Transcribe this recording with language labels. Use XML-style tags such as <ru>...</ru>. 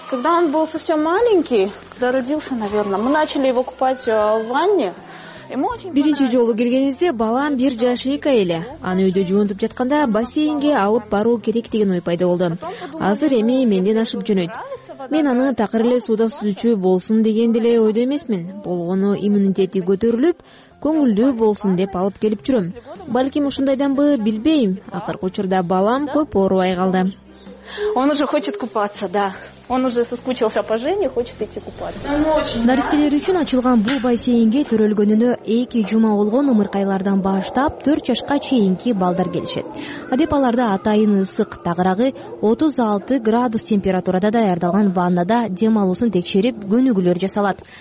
<ru>Когда он был совсем маленький, да родился, наверное, мы начали его купать в ванне.</ru> <ky>Биринчи жолу келгенибизде балам 1 эка эле. Аны үйдө жуунтуп жатканда бассейнге алып баруу керек деген ой пайда болду. Азыр эми менден ашып жөнөйт. Мен аны такыр эле сууда сүзүүчү болсун деген деле ойдо эмесмин. Болгону иммунитети көтөрүлүп, көңүлдүү болсун деп алып келип жүрөм. Балким ушундайданбы билбейм. Акыркы учурда балам көп оорубай калды.</ky> <ru>Он уже хочет купаться, да. Он уже соскучился по Жене, хочет идти купаться.</ru> <ky>Нарестелер үчүн ачылган бул бассейнге төрөлгөнүнө 2 жума болгон ымыркайлардан баштап 4 жашка чейинки балдар келишет. Адеп аларда атайын ысык, тагырагы 36 градус температурада даярдалган ваннада демалуусун текшерип, көнүгүүлөр жасалат.</ky>